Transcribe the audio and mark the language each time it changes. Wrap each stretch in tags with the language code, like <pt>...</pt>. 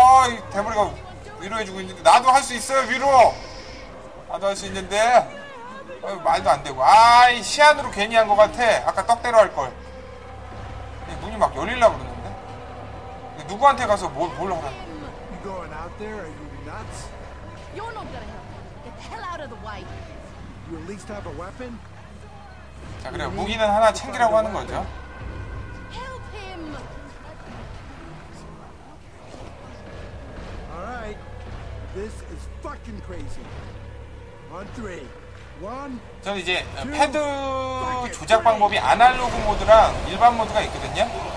<ko>이 대머리가 위로해주고 있는데 나도 할 수 있어요. 위로 나도 할 수 있는데 말도 안 되고. 아이, 시안으로 괜히 한 것 같아. 아까 떡대로 할 걸. 눈이 막 열릴라 그러는데 누구한테 가서 뭘 하라.</ko> <en>You're not gonna help. Get the hell out of the way. You at least have a weapon?</en> <ko>자, 그래, 무기는 하나 챙기라고 하는 거죠.</ko> <en>Help him. All right. This is fucking crazy. On three.</en> <ko>저는 이제 패드 조작 방법이 아날로그 모드랑 일반 모드가 있거든요.</ko>